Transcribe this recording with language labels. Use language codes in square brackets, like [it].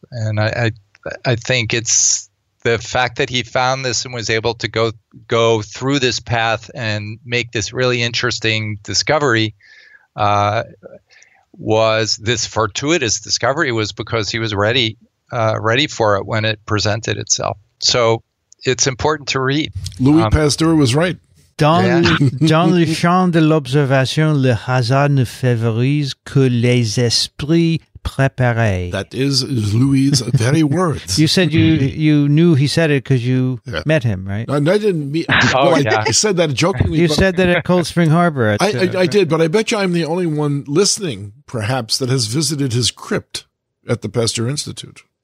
[en] And I think it's the fact that he found this and was able to go through this path and make this really interesting discovery. Was this fortuitous discovery was because he was ready for it when it presented itself. So it's important to read. Louis Pasteur was right. [fr] Dans le champ de l'observation, le hasard ne favorise que les esprits préparés. [en] That is Louis' very words. You said you knew he said it because you met him, right? No, I didn't meet him. I said that jokingly. You said that at Cold Spring Harbor. I did, but I bet you I'm the only one listening, perhaps, that has visited his crypt at the Pasteur Institute.